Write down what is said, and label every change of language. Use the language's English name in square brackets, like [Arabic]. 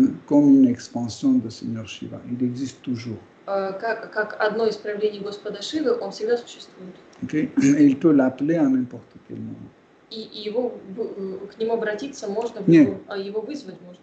[French] Comme une expansion de Seigneur Shiva, il existe toujours. [Russian] Как одно из проявлений Господа Шивы, он всегда существует. Okay. [French] Et il peut l'appeler à n'importe quel moment. [Russian] И его к нему обратиться можно, его вызвать можно.